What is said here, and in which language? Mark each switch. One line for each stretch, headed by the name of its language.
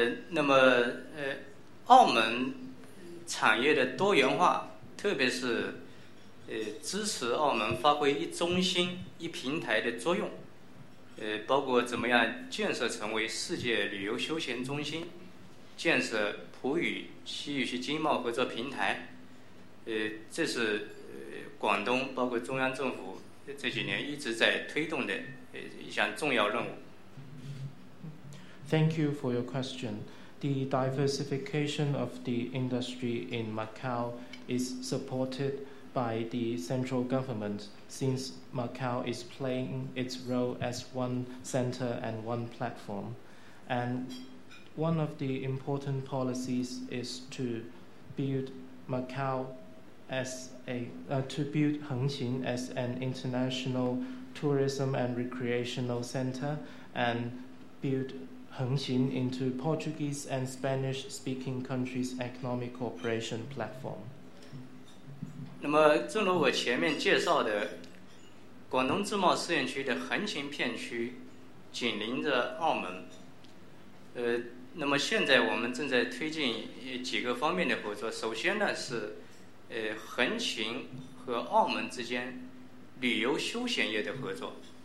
Chinese: 那么澳门产业的多元化，特别是支持澳门发挥一中心一平台的作用，包括怎么样建设成为世界旅游休闲中心，建设葡语西域区经贸合作平台，这是广东包括中央政府这几年一直在推动的一项重要任务。
English: Thank you for your question. The diversification of the industry in Macau is supported by the central government since Macau is playing its role as one center and one platform. And one of the important policies is to build Macau as to build Hengqin as an international tourism and recreational center and build Hengqin into Portuguese and Spanish speaking countries' economic cooperation platform.
Chinese: 那么正如我前面介绍的，广东自贸试验区的横琴片区紧邻着澳门，那么现在我们正在推进几个方面的合作。首先呢是横琴和澳门之间旅游休闲业的合作。